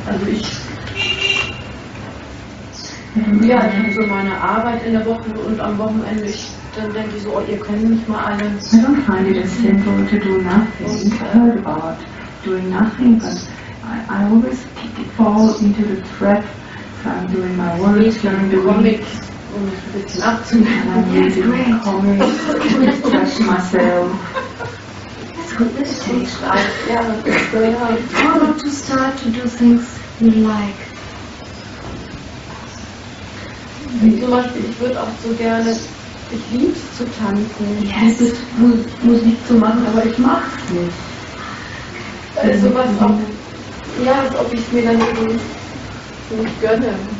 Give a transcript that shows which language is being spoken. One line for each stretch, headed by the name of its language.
German: Also ich, ja, ich habe so meine Arbeit in der Woche und am Wochenende, ich, dann denke ich so, oh, ihr könnt mich mal alle.
English: I don't find it as simple to do nothing. I heard about doing nothing, but I always fall into the trap if I'm doing my work,
German: ich lese einen Comic, um mich ein bisschen abzunehmen.
English: I'm reading a comic to express myself. How about to start to do things you like?
German: Zum Beispiel, ich würde auch so gerne, ich liebe es zu tanzen.
English: Yes.
German: Musik zu machen, aber ich mache es nicht. Also was auch, ja, als ob ich es mir dann so nicht gönne.